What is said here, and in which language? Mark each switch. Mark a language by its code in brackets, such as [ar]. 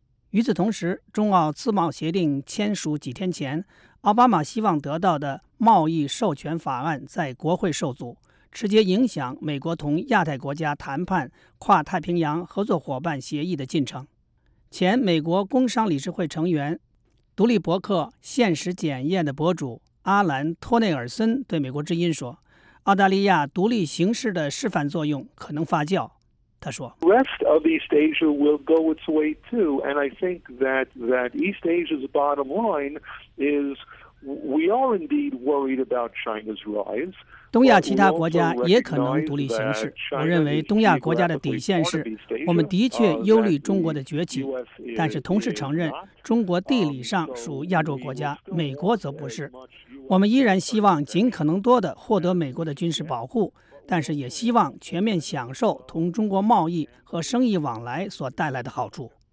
[zh] 与此同时，中澳自贸协定签署几天前，奥巴马希望得到的贸易授权法案在国会受阻，直接影响美国同亚太国家谈判跨太平洋合作伙伴协议的进程。前美国工商理事会成员、独立博客《现实检验》的博主阿兰·托内尔森对美国之音说，澳大利亚独立形式的示范作用可能发酵。他说 [en] ：“Rest of East Asia will go its way too, and I think that East Asia's bottom line is we are indeed worried about China's rise.” [zh] 东亚其他国家也可能独立形式。我认为东亚国家的底线是，我们的确忧虑中国的崛起，但是同时承认中国地理上属亚洲国家，美国则不是。我们依然希望尽可能多地获得美国的军事保护，但是也希望全面享受同中国贸易和生意往来所带来的好处。